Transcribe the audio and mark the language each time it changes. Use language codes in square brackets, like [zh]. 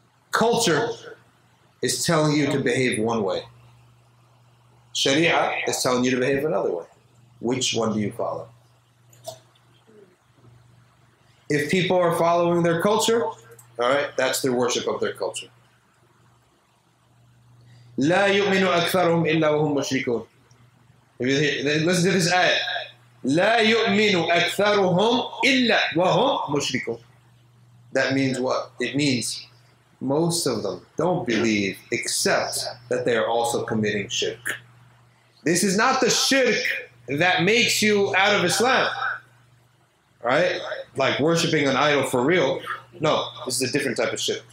[en] Culture is telling you to behave one way. Sharia is telling you to behave another way. Which one do you follow? If people are following their culture, all right, that's their worship of their culture. [ar] لا يؤمن أكثرهم إلا وهم مشركون. [en] Listen to this ayah. [ar] لا يؤمن أكثرهم إلا وهم مشركون. [en] That means what? It means most of them don't believe except that they are also committing shirk. This is not the shirk that makes you out of Islam. Right? Like worshipping an idol for real. No, this is a different type of shirk.